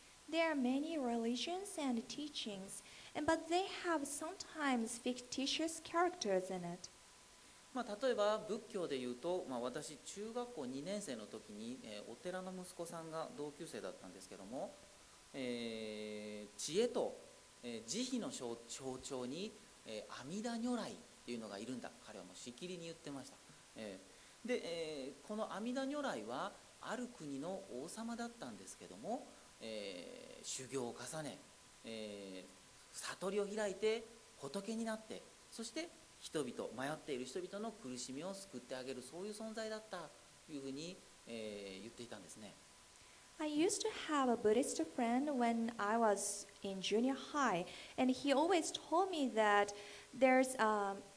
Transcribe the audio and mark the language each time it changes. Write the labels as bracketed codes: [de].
[en] There are many religions and teachings, but they have sometimes fictitious characters in it. [ja] まあ、例えば仏教でいうと、まあ、私中学校2年生の時に、お寺の息子さんが同級生だったんですけども、知恵と、慈悲の象徴に、阿弥陀如来というのがいるんだ、彼はもうしきりに言ってました。で、この阿弥陀如来はある国の王様だったんですけども、修行を重ね、悟りを開いて仏になって、そして人々、迷っている人々の苦しみを救ってあげる、そういう存在だったというふうに、言っていたんですね。 [en] I used to have a Buddhist friend when I was in junior high, and he always told me that there's a...